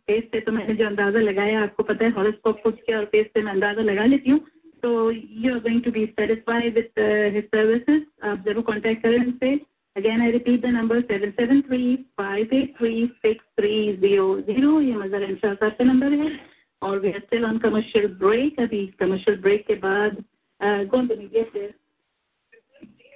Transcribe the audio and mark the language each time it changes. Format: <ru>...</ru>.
<hi>Face से तो मैंने जो अंदाजा लगाया आपको पता है horoscope पूछ के और face से मैं अंदाजा लगा लेती हूँ</hi> <en>So you are going to be satisfied with his services.</en> <hi>आप जरूर contact करें उनसे</hi> <en>Again, I repeat the number 773-583-6300.</en> <hi>ये मज़ा रंशा सर का नंबर है. और</hi> <en>we are still on commercial break.</en> <hi>अभी commercial break के बाद कौन तो नहीं गया फिर.</hi>